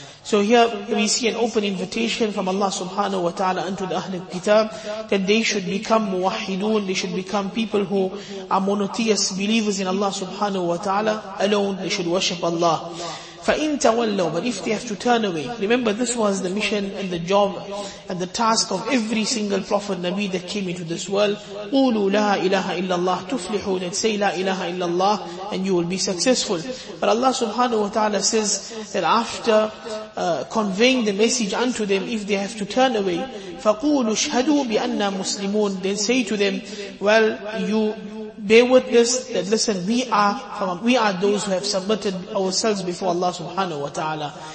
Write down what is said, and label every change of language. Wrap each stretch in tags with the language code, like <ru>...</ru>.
<en>So here we see an open invitation from Allah subhanahu wa ta'ala unto the Ahlul Kitab that they should become muwahidun, they should become people who are monotheist believers in Allah subhanahu wa ta'ala alone, they should worship Allah.</en> <ar>فَإِنْ تَوَلَّوْا,</ar> <en>but if they have to turn away. Remember, this was the mission and the job and the task of every single Prophet Nabi that came into this world.</en> <ar>قُولُوا لَا إِلَهَ إِلَّا اللَّهِ تُفْلِحُونَ,</ar> <en>and say</en> <ar>لَا إِلَهَ إِلَّا اللَّهِ</ar> <en>and you will be successful. But Allah subhanahu wa ta'ala says that after conveying the message unto them, if they have to turn away,</en> <ar>فَقُولُوا اشْهَدُوا بِأَنَّا مُسْلِمُونَ,</ar> <en>then say to them, well, you bear witness that listen, we are those who have submitted ourselves before Allah subhanahu wa ta'ala.</en>